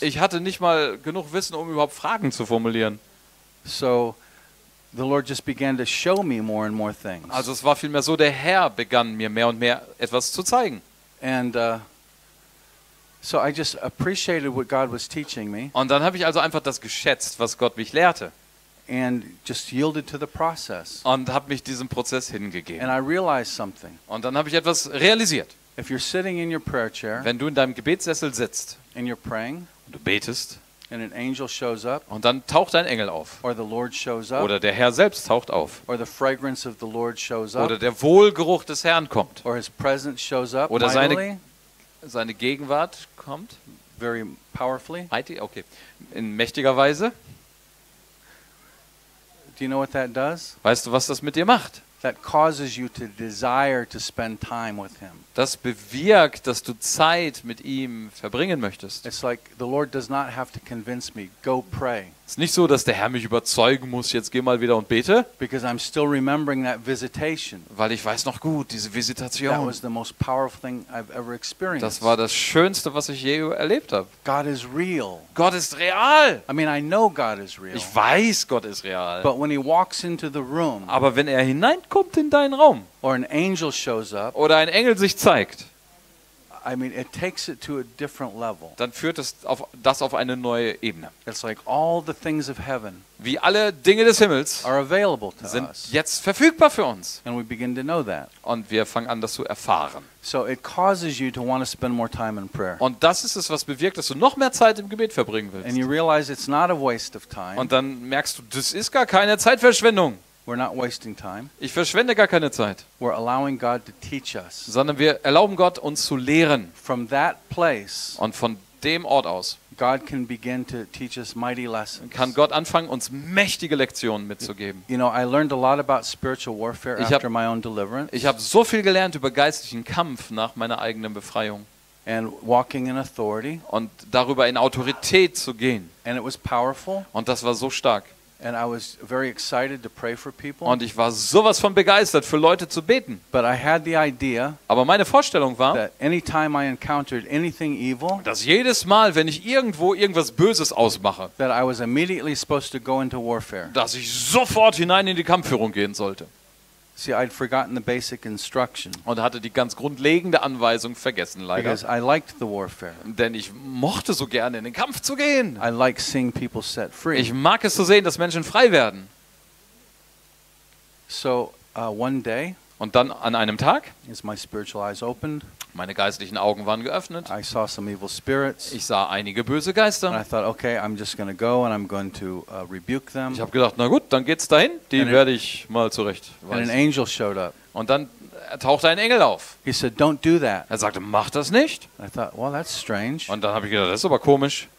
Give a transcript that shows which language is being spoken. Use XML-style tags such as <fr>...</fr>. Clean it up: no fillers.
<de>Ich hatte nicht mal genug Wissen, um überhaupt Fragen zu formulieren.</de> <en>So the Lord just began to show me more and more things.</en> <de>Also es war vielmehr so, der Herr begann mir mehr und mehr etwas zu zeigen.</de> <en>And so I just appreciated what God was teaching me.</en> <de>Und dann habe ich also einfach das geschätzt, was Gott mich lehrte.</de> <en>And just yielded to the process.</en> <de>Und habe mich diesem Prozess hingegeben.</de> <en>And I realized something.</en> <de>Und dann habe ich etwas realisiert.</de> <en>If you're sitting in your prayer chair,</en> <de>wenn du in deinem Gebetssessel sitzt,</de> <en>and you're praying,</en> <de>und du betest,</de> <en>and an angel shows up,</en> <de>und dann taucht ein Engel auf,</de> <en>or the Lord shows up,</en> <de>oder der Herr selbst taucht auf,</de> <en>or the fragrance of the Lord shows up,</en> <de>oder der Wohlgeruch des Herrn kommt,</de> <en>or his presence shows up,</en> <de>oder seine Gegenwart kommt,</de> <en>very powerfully,</en> <de>okay, in mächtiger Weise.</de> <en>Do you know what that does?</en> <de>Weißt du, was das mit dir macht?</de> <en>That causes you to desire to spend time with him.</en> <de>Das bewirkt, dass du Zeit mit ihm verbringen möchtest.</de> <en>It's like the Lord does not have to convince me. Go pray.</en> <de>Es ist nicht so, dass der Herr mich überzeugen muss, jetzt geh mal wieder und bete.</de> <en>Because I'm still remembering that visitation.</en> <de>Weil ich weiß noch gut, diese Visitation.</de> <en>That was the most powerful thing I've ever experienced.</en> <de>Das war das Schönste, was ich je erlebt habe.</de> <en>God is real.</en> <de>Gott ist real.</de> <en>I mean, I know God is real.</en> <de>Ich weiß, Gott ist real.</de> <en>But when he walks into the room,</en> <de>aber wenn er hineinkommt in deinen Raum,</de> <en>or an angel shows up,</en> <de>oder ein Engel sich zeigt,</de> <en>I mean, it takes it to a different level.</en> <de>Dann führt es das auf eine neue Ebene.</de> <en>It's like all the things of heaven.</en> <de>Wie alle Dinge des Himmels</de> <en>are available to</en> <de>sind</de> <en>us.</en> <de>Jetzt verfügbar für uns.</de> <en>And we begin to know that.</en> <de>Und wir fangen an, das zu erfahren.</de> <en>So it causes you to want to spend more time in prayer.</en> <de>Und das ist es, was bewirkt, dass du noch mehr Zeit im Gebet verbringen willst.</de> <en>And you realize it's not a waste of time.</en> <de>Und dann merkst du, das ist gar keine Zeitverschwendung.</de> <en>We're not wasting time.</en> <de>Ich verschwende gar keine Zeit.</de> <en>We're allowing God to teach us.</en> <de>Sondern wir erlauben Gott, uns zu lehren.</de> <en>From that place.</en> <de>Und von dem Ort aus.</de> <en>God can begin to teach us mighty lessons.</en> <de>Kann Gott anfangen, uns mächtige Lektionen mitzugeben.</de> <en>You know, I learned a lot about spiritual warfare after my own deliverance.</en> <de>Ich habe so viel gelernt über geistlichen Kampf nach meiner eigenen Befreiung.</de> <en>And walking in authority.</en> <de>Und darüber in Autorität zu gehen.</de> <en>And it was powerful.</en> <de>Und das war so stark.</de> <en>And I was very excited to pray for people.</en> <de>Und ich war sowas von begeistert, für Leute zu beten.</de> <en>But I had the idea,</en> <de>aber meine Vorstellung war,</de> <en>that anytime I encountered anything evil,</en> <de>dass jedes Mal, wenn ich irgendwo irgendwas Böses ausmache,</de> <en>that I was immediately supposed to go into warfare.</en> <de>Dass ich sofort hinein in die Kampfführung gehen sollte.</de> <en>See, I'd forgotten the basic instruction.</en> <de>Und hatte die ganz grundlegende Anweisung vergessen, leider.</de> <en>Because I liked the warfare.</en> <de>Denn ich mochte so gerne in den Kampf zu gehen.</de> <en>I like seeing people set free.</en> <de>Ich mag es zu sehen, dass Menschen frei werden.</de> <en>So, one day,</en> <de>und dann an einem Tag,</de> <en>is my spiritual eyes opened.</en> <de>Meine geistlichen Augen waren geöffnet.</de> <en>I saw some evil spirits.</en> <de>Ich sah einige böse Geister.</de> <en>And I thought, okay, I'm just going to go and I'm going to rebuke them.</en> <de>Ich habe gedacht, na gut, dann geht's dahin. Die werde ich mal zurechtweisen.</de> <en>And an angel showed up.</en> <de>Und dann taucht ein Engel auf.</de> <en>He said, don't do that.</en> <de>Er sagte, mach das nicht.</de> <en>I thought, well, that's strange.</en> <de>Und dann habe ich gedacht, das ist aber komisch.</de>